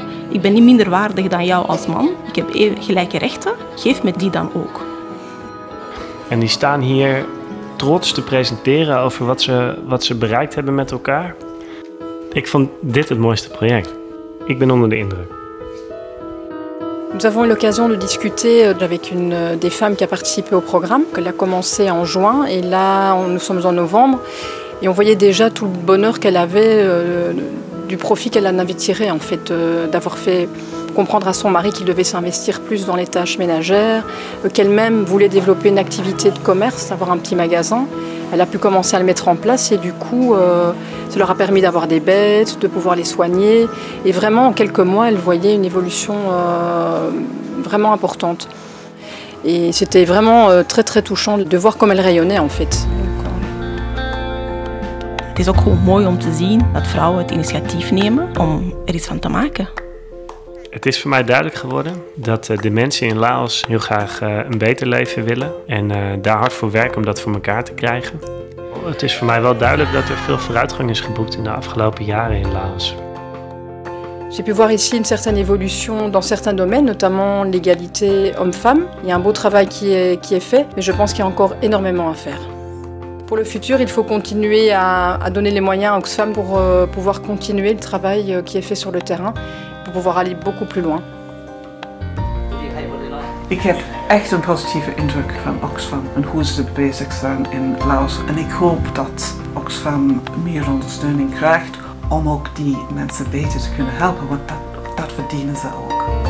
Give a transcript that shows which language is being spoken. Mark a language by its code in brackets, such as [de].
[nl] Ik ben niet minder waardig dan jou als man, ik heb gelijke rechten, geef me die dan ook. En die staan hier trots te presenteren over wat ze bereikt hebben met elkaar. Ik vond dit het mooiste project. Ik ben onder de indruk. [fr] Nous avons eu l'occasion de discuter avec une des femmes qui a participé au programme. Elle a commencé en juin et là nous sommes en novembre et on voyait déjà tout le bonheur qu'elle avait du profit qu'elle en avait tiré en fait d'avoir fait comprendre à son mari qu'il devait s'investir plus dans les tâches ménagères, qu'elle-même voulait développer une activité de commerce, avoir un petit magasin. Elle a pu commencer à le mettre en place et du coup, ça leur a permis d'avoir des bêtes, de pouvoir les soigner. Et vraiment, en quelques mois, elle voyait une évolution vraiment importante. Et c'était vraiment très très touchant de voir comme elle rayonnait en fait. C'est aussi [nl] mooi om te zien dat vrouwen het initiatief nemen om er iets van te maken. Het is voor mij duidelijk geworden dat de mensen in Laos heel graag een beter leven willen en daar hard voor werken om dat voor elkaar te krijgen. Het is voor mij wel duidelijk dat er veel vooruitgang is geboekt in de afgelopen jaren in Laos. [fr] J'ai pu voir ici une certaine évolution dans certains domaines, notamment l'égalité homme-femme. Il y a un beau travail qui est fait, mais je pense qu'il y a encore énormément à faire. Pour le futur, il faut continuer à donner les moyens à Oxfam pour pouvoir continuer le travail qui est fait sur le terrain. pouvoir aller beaucoup plus loin. [nl] Ik heb echt een positieve indruk van Oxfam en hoe ze bezig zijn in Laos. En ik hoop dat Oxfam meer ondersteuning krijgt om ook die mensen beter te kunnen helpen, want dat verdienen ze ook.